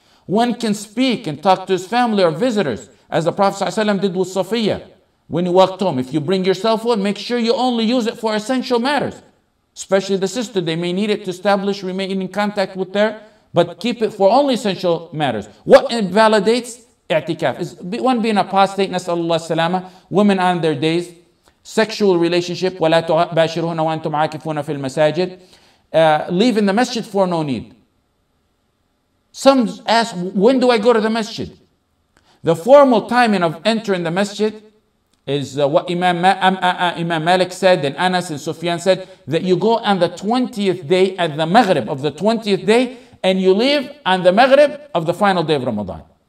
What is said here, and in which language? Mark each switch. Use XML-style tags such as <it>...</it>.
<en>One can speak and talk to his family or visitors, as the Prophet ﷺ did with Safiya when he walked home. If you bring your cell phone, make sure you only use it for essential matters, especially the sister. They may need it to establish remaining in contact with their, but keep it for only essential matters. What invalidates i'tikaf is one being apostate,</en> <ar>nas'alullah salama,</ar> <en>women on their days, sexual relationship,</en> <ar>ولا تباشرهن وأنتم عاكفون في المساجد.</ar> <en>Leave in the masjid for no need. Some ask, when do I go to the masjid? The formal timing of entering the masjid is what Imam Malik said, and Anas and Sufyan said, that you go on the 20th day at the Maghrib of the 20th day, and you leave on the Maghrib of the final day of Ramadan.</en>